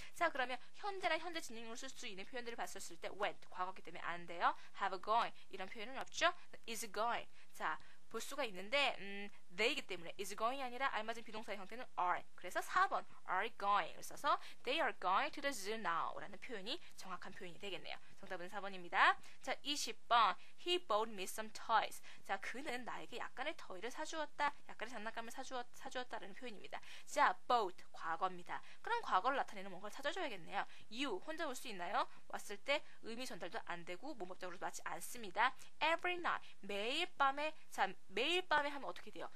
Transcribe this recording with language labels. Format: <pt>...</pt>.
<ko>자, 그러면 현재랑 현재 진행형을 쓸 수 있는 표현들을 봤었을 때 went 과거기 때문에 안 돼요. have gone 이런 표현은 없죠. is going 자, 볼 수가 있는데 they이기 때문에 is going 아니라 알맞은 비동사의 형태는 are. 그래서 4번 are going을 써서</ko> <en>they are going to the zoo now</en> <ko>라는 표현이 정확한 표현이 되겠네요. 정답은 4번입니다. 자, 20번</ko> <en>he bought me some toys.</en> <ko>자, 그는 나에게 약간의 toy를 사주었다. 약간의 장난감을 사주었다라는 표현입니다. 자, bought 과거입니다. 그럼 과거를 나타내는 뭔가를 찾아줘야겠네요. you 혼자 올 수 있나요? 왔을 때 의미 전달도 안 되고 문법적으로 맞지 않습니다. every night 매일 밤에 자, 매일 밤에 하면 어떻게 돼요?</ko>